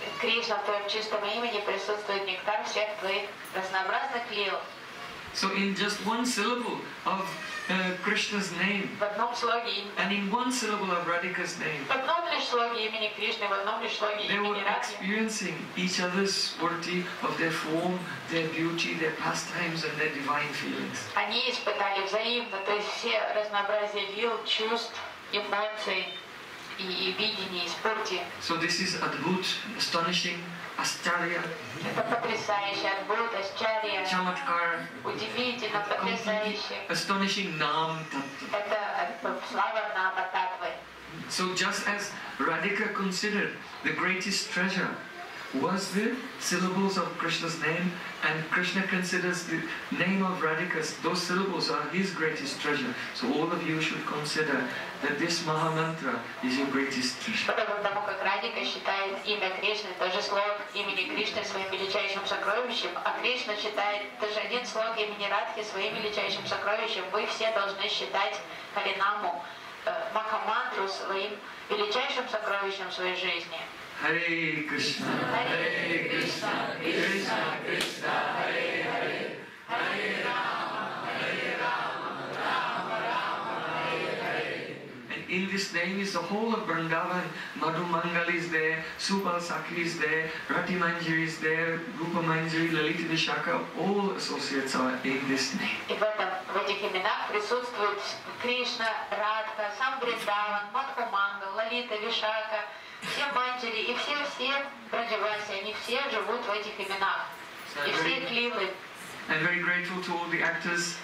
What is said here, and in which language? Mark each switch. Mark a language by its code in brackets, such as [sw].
[ru] Krishna, в твоем чистом имени присутствует нектар всех твоих разнообразных лил. [en] So in just one syllable of Krishna's name, [ru] в одном слоге имени, [en] and in one syllable of Radhika's name, [ru] в одном лишь слоге имени Кришны, в одном лишь слоге имени Радхи, [en] they were experiencing each other's worthy of their form, their beauty, their pastimes, and their divine feelings. [ru] Они испытали взаимно, то есть все разнообразие лил, чувств, эмоций. и видение, и спорте. [en] So this is Advut, astonishing, Astarya. [ru] Это потрясающе, Advut, Astarya. [sa] Chamatkar. [ru] Удивительно, потрясающе. [en] Astonishing Nam Tattva. [ru] Это слава Нама Таттвы. [en] So just as Radhika considered the greatest treasure was the syllables of Krishna's name, and Krishna considers the name of Radhika's, those syllables are his greatest treasure. So all of you should consider that this Maha Mantra is your greatest treasure. [ru] Потому как Радика считает имя Кришны, то же слово имени Кришны своим величайшим сокровищем, а Кришна считает даже один слог имени Радхи своим величайшим сокровищем, вы все должны считать Харинаму, Маха Мантру своим величайшим сокровищем в своей жизни. [sa] Hare Krishna, Hare Krishna, Krishna Krishna, Hare Hare, Hare Rama, Hare Rama, Rama Rama, Hare Hare. [en] And in this name is the whole of Vrindavan. Madhu Mangali is there, Subal Sakhi is there, Rati Manjari is there, Rupa Manjari, Lalita Vishaka, all associates are in this name. [ru] В этих именах присутствуют Кришна, Радха, сам Бриндаван, Матху Манга, Лалита, Вишака, все манджери и все-все Брадживаси, они все живут в этих именах. И все клилы. [en] I'm very grateful to all the actors.